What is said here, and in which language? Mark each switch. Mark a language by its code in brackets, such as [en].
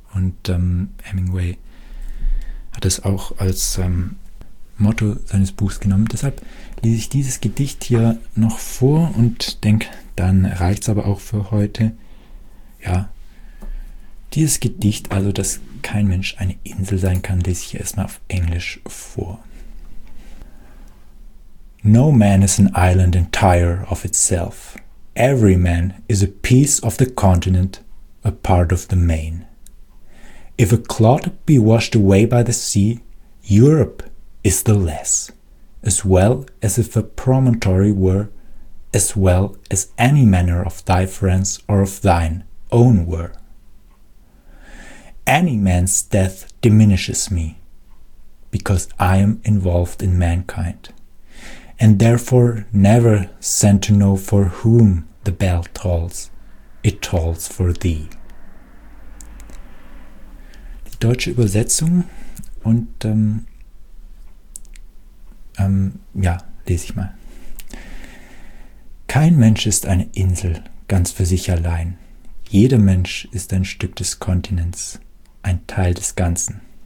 [de] Und Hemingway hat es auch als Motto seines Buchs genommen. Deshalb lese ich dieses Gedicht hier noch vor und denke, dann reicht es aber auch für heute. Ja, dieses Gedicht, also dass kein Mensch eine Insel sein kann, lese ich erstmal auf Englisch vor. [en] No man is an island entire of itself. Every man is a piece of the continent, a part of the main. If a clod be washed away by the sea, Europe is the less, as well as if a promontory were, as well as any manner of thy friends or of thine own were. Any man's death diminishes me, because I am involved in mankind, and therefore never sent to know for whom the bell tolls, it tolls for thee. [de] Deutsche Übersetzung und ja, lese ich mal. Kein Mensch ist eine Insel ganz für sich allein. Jeder Mensch ist ein Stück des Kontinents, ein Teil des Ganzen.